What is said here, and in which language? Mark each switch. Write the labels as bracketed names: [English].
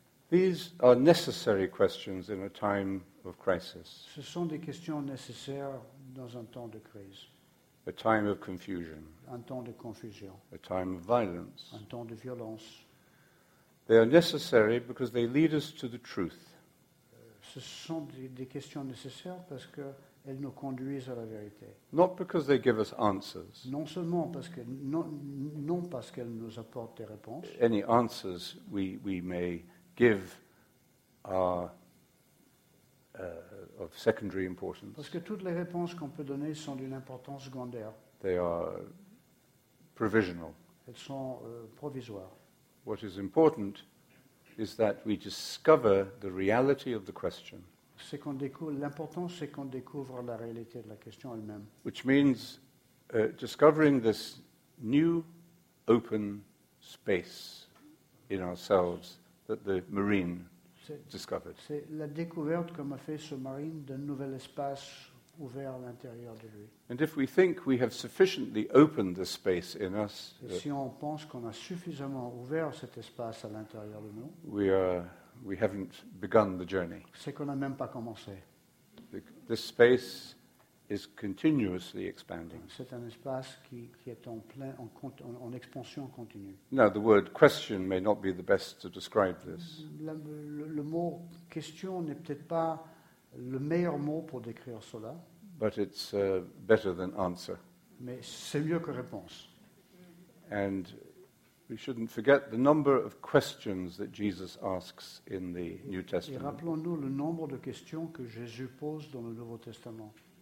[English] These are necessary questions in a time of crisis. [French] Ce sont des questions nécessaires dans un temps de crise. [English] A time of confusion. [French] Un temps de confusion. [English] A time of violence. [French] Un temps de violence. [English] They are necessary because they lead us to the truth. [French] Ce sont des questions nécessaires parce que elles nous conduisent à la vérité. [English] Not because they give us answers. [French] Non seulement parce que non parce qu'elles nous apportent des réponses. [English] Any answers we may give are of secondary importance. [French] Parce que toutes les réponses qu'on peut donner sont d'une importance secondaire. [English] They are provisional. [French] Elles sont provisoires. [English] What is important is that we discover the reality of the question. [French] C'est qu'on découvre, l'important c'est qu'on découvre la réalité de la question elle-même. [English] Which means discovering this new open space in ourselves that the marine discovered. [French] C'est la découverte comme a fait ce marine d'un nouvel espace ouvert à l'intérieur de lui. [English] And if we think we have sufficiently opened this space in us, [French] si on pense qu'on a suffisamment ouvert cet espace à l'intérieur de nous, [English] we haven't begun the journey. [French] C'est qu'on n'a même pas commencé. [English] This space is continuously expanding. [French] C'est un espace qui est en plein en expansion continue. [English] Now the word question may not be the best to describe this. [French] Le mot question n'est peut-être pas le meilleur mot pour décrire cela. [English] But it's better than answer. [French] Mais c'est mieux que réponse. [English] And we shouldn't forget the number of questions that Jesus asks in the New Testament. [French] Et rappelons-nous le nombre de questions que Jésus pose dans le Nouveau Testament.